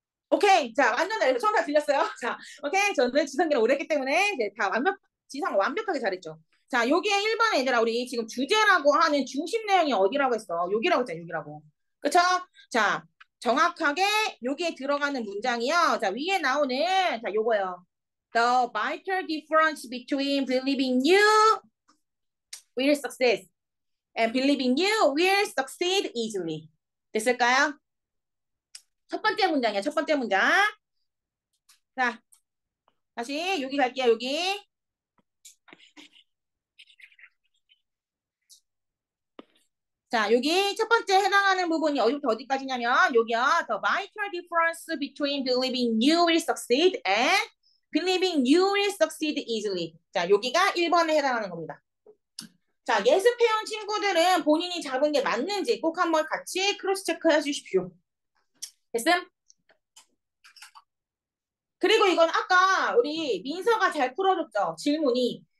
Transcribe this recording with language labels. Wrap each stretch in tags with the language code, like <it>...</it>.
<ko>오케이. 자, 완전히 정답 들렸어요. 자, 오케이. 저는 지성기를 오래 했기 때문에 이제 다 완벽, 지성 완벽하게 잘했죠. 자, 여기에 1번에 얘들아, 우리 지금 주제라고 하는 중심 내용이 어디라고 했어? 여기라고 했잖아, 여기라고. 그쵸? 자, 정확하게 여기에 들어가는 문장이요. 자, 위에 나오는, 자, 요거요.</ko> <en>The vital difference between believing you will succeed and believing you will succeed easily.</en> <ko>됐을까요? 첫 번째 문장이야, 첫 번째 문장. 자, 다시 여기 갈게요, 여기. 자, 여기 첫 번째 해당하는 부분이 어디부터 어디까지냐면, 여기요.</ko> <en>The vital difference between believing you will succeed and believing you will succeed easily.</en> <ko>자, 여기가 1번에 해당하는 겁니다. 자, 예습해온 친구들은 본인이 잡은 게 맞는지 꼭 한번 같이 크로스 체크해 주십시오. 됐음? 그리고 이건 아까 우리 민서가 잘 풀어줬죠? 질문이.</ko>